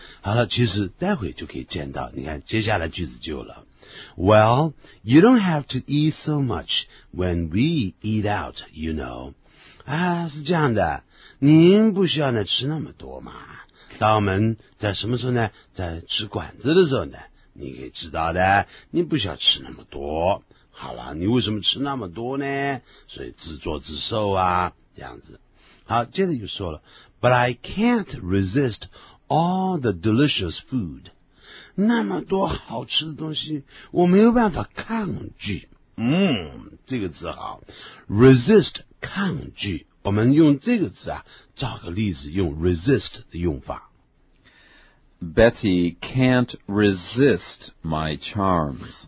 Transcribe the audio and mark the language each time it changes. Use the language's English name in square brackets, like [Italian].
[Chinese] 好了，其实待会就可以见到。你看，接下来句子就有了。 [English] Well, you don't have to eat so much when we eat out, you know. [Chinese] 啊，是这样的。您不需要呢吃那么多嘛。到我们在什么时候呢？在吃馆子的时候呢？你可以知道的，你不需要吃那么多。好了，你为什么吃那么多呢？所以自作自受啊，这样子。好，接着就说了 [English] ，But I can't resist all the delicious food. [Chinese] 那么多好吃的东西，我没有办法抗拒。这个字好 ，resist 抗拒。我们用这个字啊，找个例子，用 resist 的用法。 [English] Betty can't resist my charms.